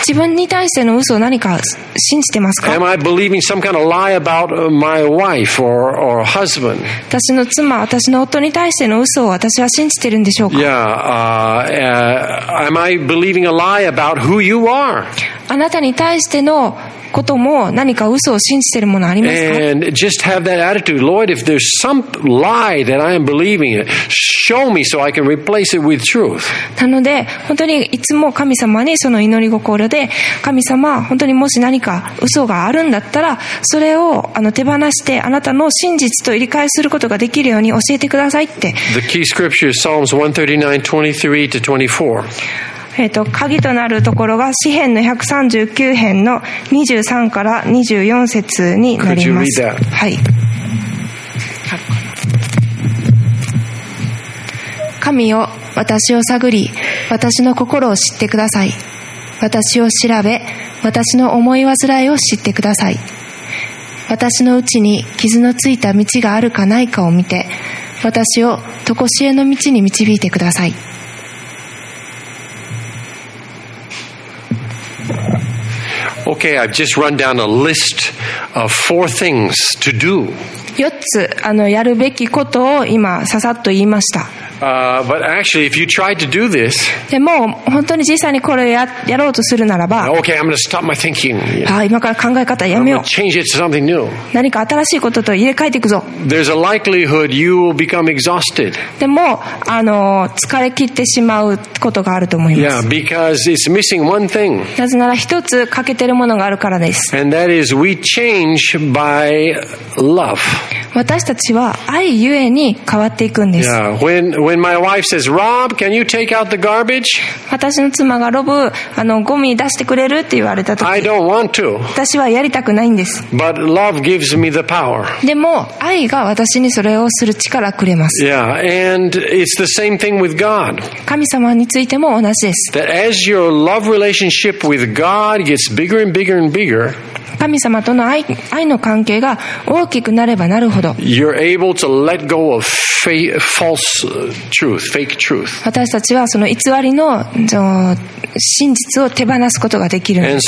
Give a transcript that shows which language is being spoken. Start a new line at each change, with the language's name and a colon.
Japanese: 自分に対しての嘘を何か信じてますか?
English: Am I believing some kind of lie about my wife or husband?
Japanese: 私の妻、私の夫に対しての嘘を私は信じてるんでしょうか?
English: Yeah, am I believing a lie about who you are?
Japanese: あなたに対してのことも何か嘘を信じているものありますか?
English: And just have that attitude, Lord, if there's some lie that I am believing it, show me so I can replace it with truth.
Japanese: なので本当にいつも神様にその祈り心で、神様、本当にもし何か嘘があるんだったら、それを手放してあなたの真実と入り替えすることができるように教えてくださいって。
English: The key scripture is Psalms 139:23-24.
Japanese: 鍵となるところが詩編の139編の23から24節になります。はい。神よ、私を探り、私の心を知ってください。私を調べ、私の思い煩いを知ってください。私のうちに傷のついた道があるかないかを見て、私を常しえの道に導いてください。
English: Okay, I've just run down a list of four things to do.
Japanese: 四つやるべきことを今ささっと言いました。
English: But actually, if you tried to do this,
Japanese: でも本当に実際にこれやろうとするならば、
English: okay, I'm going to stop my thinking.
Japanese: 今から考え方やめよう。
English: Change it to something new.
Japanese: 何か新しいことと入れ替えていくぞ。
English: There's a likelihood you will become exhausted.
Japanese: でも疲れ切ってしまうことがあると思います。
English: Yeah, because it's missing one thing.
Japanese: なぜなら一つ欠けてるものがあるからです。
English: And that is we change by love.
Japanese: 私たちは愛ゆえに変わっていくんです。
English: When my wife says, Rob, can you take out the garbage?
Japanese: 私の妻がロブ、ゴミ出してくれるって言われた時、
English: I don't want to.
Japanese: 私はやりたくないんです。
English: But love gives me the power.
Japanese: でも愛が私にそれをする力くれます。
English: Yeah, and it's the same thing with God.
Japanese: 神様についても同じです。
English: That as your love relationship with God gets bigger and bigger and bigger.
Japanese: 神様との愛の関係が大きくなればなるほど、私たちはその偽りの真実を手放すことができる。